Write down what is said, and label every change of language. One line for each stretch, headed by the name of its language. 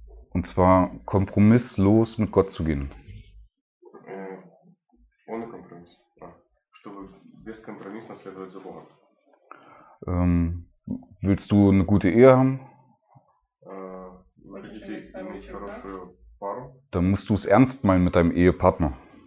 German: Und zwar kompromisslos mit Gott zu gehen. Ohne Kompromiss. Ja.
Russian: Чтобы без компромисса следовать за Богом.
German: Willst du eine gute Ehe haben? Möchtest du eine gute Paar? Dann musst du es ernst meinen mit deinem Ehepartner.